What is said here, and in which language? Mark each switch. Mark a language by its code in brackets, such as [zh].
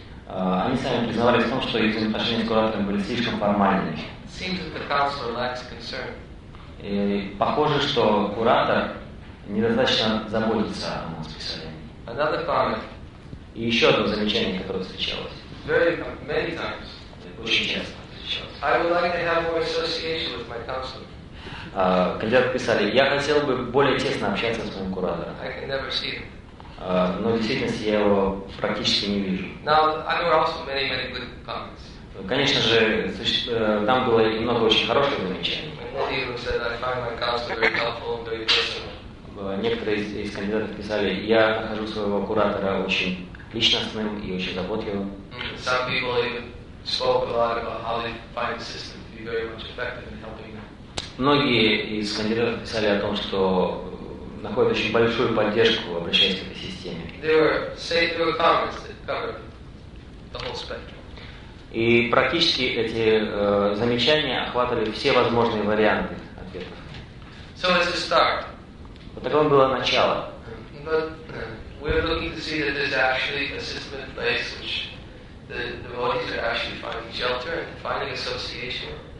[ru] Они сами признавались в том, что их отношения с куратором были слишком формальными. [en] Seems that the counselor lacks concern. [ru] И похоже, что куратор недостаточно заботится о нас, писали. [en] Another comment. [ru] И еще одно замечание, которое встречалось. [en] Very many times. [ru] Очень часто. [en] I would like to have more association with my counselor. [ru] Кандидаты писали, я хотел бы более тесно общаться с моим куратором. [en] I can never see him. [ru] Но в действительности я его практически не вижу. [en] Now, there were also many, many good comments. [ru] Конечно же, там было и много очень хороших замечаний. [en] Many of them said, I find my counselor very helpful and very personal. [ru] Некоторые из кандидатов писали, я нахожу своего куратора очень личностным и очень заботливым. [en] Some people even spoke a lot about how they find the system to be very much effective in helping them. [ru] Многие из кандидатов писали о том, что находят очень большую поддержку, обращаясь к этой системе. [en] There were comments that covered the whole spectrum. [ru] И практически эти замечания охватывали все возможные варианты ответов. [en] So it's a start. [ru] Вот такое было начало. [en] But we're looking to see that there's actually a system in place which the devotees are actually finding shelter and finding association.